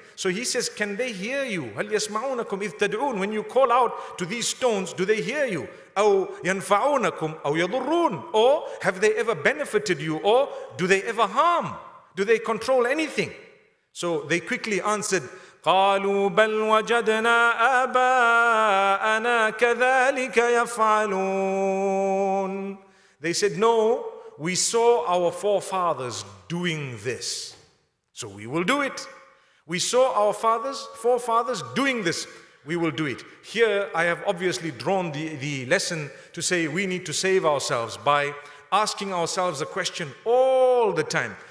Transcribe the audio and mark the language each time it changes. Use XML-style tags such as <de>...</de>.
<en>So he says, can they hear you?</en> <ar>هَلْ يَسْمَعُونَكُمْ إِذْ تَدْعُونَ.</ar> <en>When you call out to these stones, do they hear you?</en> <ar>أَوْ يَنْفَعُونَكُمْ أَوْ يَضُرُّونَ.</ar> <en>Or have they ever benefited you? Or do they ever harm? Do they control anything? So they quickly answered,</en> <ar>قالوا بل وجدنا آباءنا كذلك يفعلون.</ar> <en>They said, no, we saw our forefathers doing this, so we will do it. We saw our forefathers doing this, we will do it. Here I have obviously drawn the lesson to say we need to save ourselves by asking ourselves a question all the time.</en>